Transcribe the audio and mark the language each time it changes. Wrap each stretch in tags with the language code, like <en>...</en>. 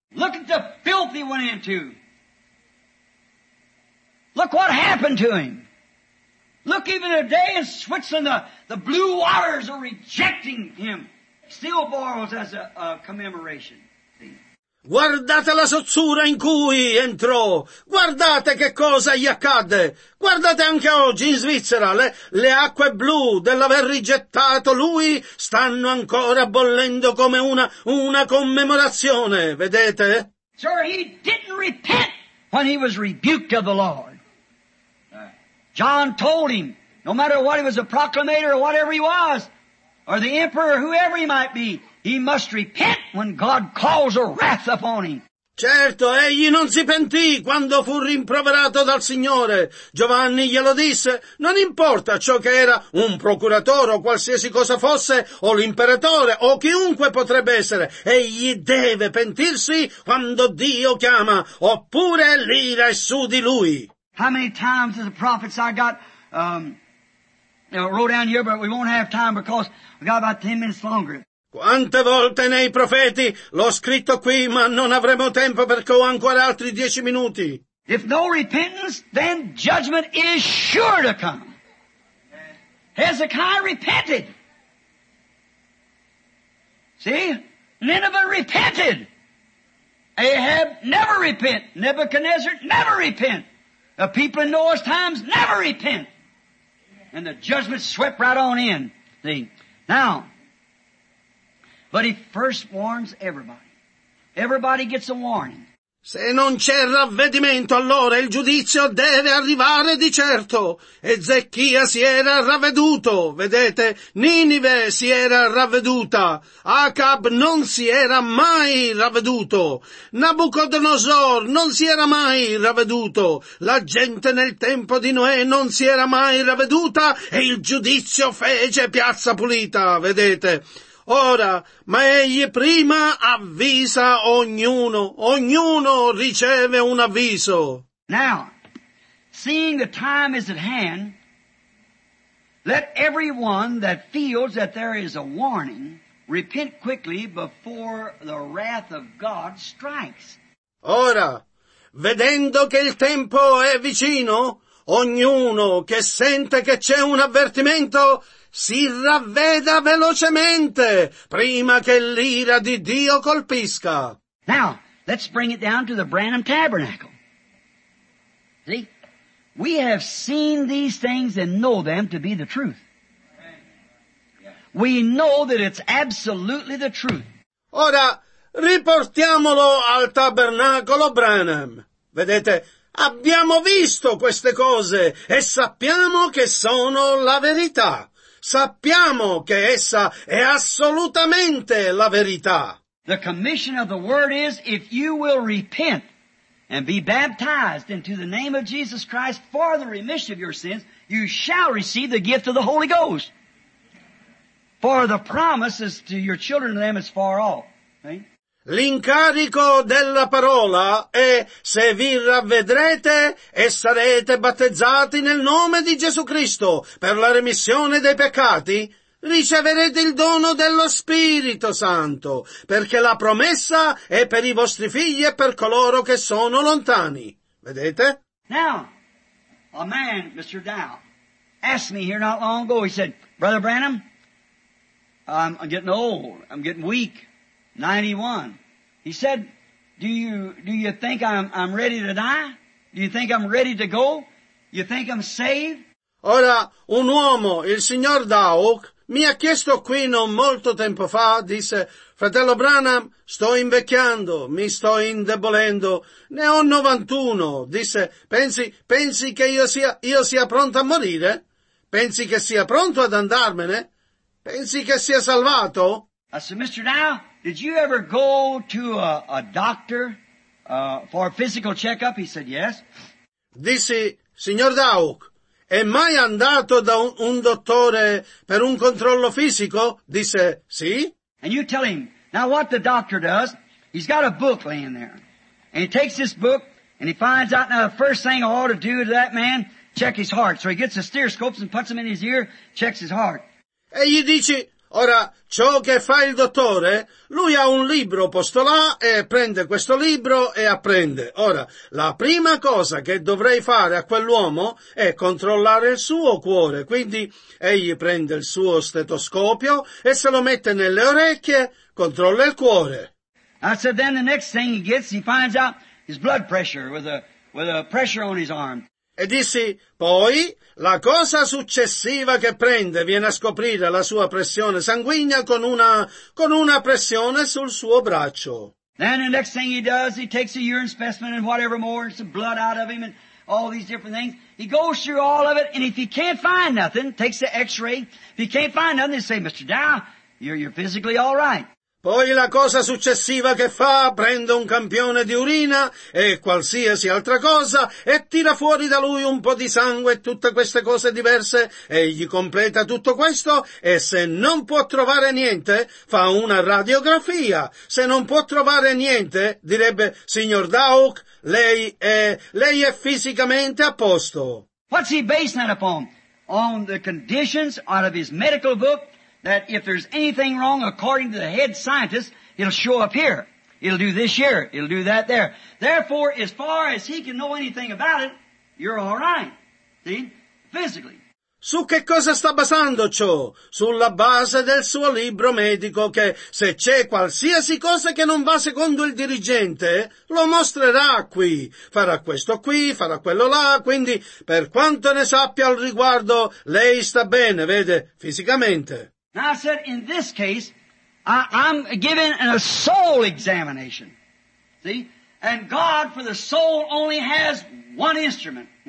<en>Look at the filth he went into. Look what happened to him. Look even today in Switzerland, the blue waters are rejecting him. Still borrows as a commemoration.</en> <it>Guardate la sozzura in cui entrò, guardate che cosa gli accadde, guardate anche oggi in Svizzera, le acque blu dell'aver rigettato lui stanno ancora bollendo come una commemorazione, vedete?</it> <en>Sir, he didn't repent when he was rebuked of the Lord. John told him, no matter what he was, a proclamator or whatever he was, or the emperor, whoever he might be, he must repent when God calls a wrath upon him.</en> <it>Certo, egli non si pentì quando fu rimproverato dal Signore. Giovanni glielo disse, non importa ciò che era un procuratore o qualsiasi cosa fosse, o l'imperatore, o chiunque potrebbe essere, egli deve pentirsi quando Dio chiama, oppure l'ira è su di lui.</it> <en>How many times did the prophets I got, wrote down here, but we won't have time because we got about 10 minutes longer.</en> <it>Quante volte nei profeti l'ho scritto qui, ma non avremo tempo perché ho ancora altri 10 minuti.</it> <en>If no repentance, then judgment is sure to come. Hezekiah repented. See? Nineveh repented. Ahab never repent. Nebuchadnezzar never repent. The people in Noah's times never repent. And the judgment swept right on in. See? Now, but he first warns everybody. Everybody gets a warning.</en> <it>Se non c'è ravvedimento, allora il giudizio deve arrivare di certo. Ezechia si era ravveduto, vedete, Ninive si era ravveduta, Acab non si era mai ravveduto, Nabucodonosor non si era mai ravveduto, la gente nel tempo di Noè non si era mai ravveduta e il giudizio fece piazza pulita, vedete. Ora, ma egli prima avvisa ognuno. Ognuno riceve un avviso.</it> <en>Now, seeing the time is at hand, let everyone that feels that there is a warning repent quickly before the wrath of God strikes.</en> <it>Ora, vedendo che il tempo è vicino, ognuno che sente che c'è un avvertimento si ravveda velocemente prima che l'ira di Dio colpisca.</it> <en>Now, let's bring it down to the Branham Tabernacle. See? We have seen these things and know them to be the truth. We know that it's absolutely the truth.</en> <it>Ora, riportiamolo al Tabernacolo Branham. Vedete, abbiamo visto queste cose e sappiamo che sono la verità. Sappiamo che essa è assolutamente la verità.</it> <en>The commission of the word is, if you will repent and be baptized into the name of Jesus Christ for the remission of your sins, you shall receive the gift of the Holy Ghost. For the promise is to your children and them is far off. See?</en> <it>L'incarico della parola è, se vi ravvedrete e sarete battezzati nel nome di Gesù Cristo per la remissione dei peccati, riceverete il dono dello Spirito Santo, perché la promessa è per i vostri figli e per coloro che sono lontani. Vedete?</it> <en>Now, a man, Mr. Dow, asked me here not long ago, he said, Brother Branham, I'm getting old, I'm getting weak. 91. He said, do you think I'm ready to die? Do you think I'm ready to go? You think I'm saved?</en> <it>Ora, un uomo, il signor Dauk, mi ha chiesto qui non molto tempo fa, disse, fratello Branham, sto invecchiando, mi sto indebolendo, ne ho 91. Disse, pensi che io sia pronto a morire? Pensi che sia pronto ad andarmene? Pensi che sia salvato?</it> <en>I said, Mr. Dow, did you ever go to a doctor for a physical checkup? He said, yes.</en> <it>Dissi, signor Dauk, è mai andato da un dottore per un controllo fisico? Disse, sì.</it> <en>And you tell him, now what the doctor does, he's got a book laying there. And he takes this book and he finds out, now the first thing I ought to do to that man, check his heart. So he gets the stethoscopes and puts them in his ear, checks his heart.</en> <it>E gli dici, ora, ciò che fa il dottore, lui ha un libro posto là e prende questo libro e apprende. Ora, la prima cosa che dovrei fare a quell'uomo è controllare il suo cuore. Quindi, egli prende il suo stetoscopio e se lo mette nelle orecchie, controlla il cuore.</it> <en>I said, then the next thing he gets, he finds out his blood pressure with a pressure on his arm.</en> <it>E dissi, poi, la cosa successiva che prende viene a scoprire la sua pressione sanguigna con una pressione sul suo braccio.</it> <en>Then the next thing he does, he takes a urine specimen and whatever more, and some blood out of him and all these different things. He goes through all of it, and if he can't find nothing, takes the x-ray, if he can't find nothing, they say, Mr. Dow, you're physically all right.</en> <it>Poi la cosa successiva che fa, prende un campione di urina e qualsiasi altra cosa e tira fuori da lui un po' di sangue e tutte queste cose diverse e gli completa tutto questo e se non può trovare niente, fa una radiografia. Se non può trovare niente, direbbe, signor Dauk, lei è fisicamente a posto.</it> <en>What's he based that upon? On the conditions out of his medical book? That if there's anything wrong, according to the head scientist, it'll show up here. It'll do this here. It'll do that there. Therefore, as far as he can know anything about it, you're all right. See? Physically.</en> <it>Su che cosa sta basando ciò? Sulla base del suo libro medico che, se c'è qualsiasi cosa che non va secondo il dirigente, lo mostrerà qui. Farà questo qui, farà quello là, quindi, per quanto ne sappia al riguardo, lei sta bene, vede, fisicamente.</it> <en>Now I said, in this case, I'm given a soul examination. See? And God for the soul only has one instrument.</en>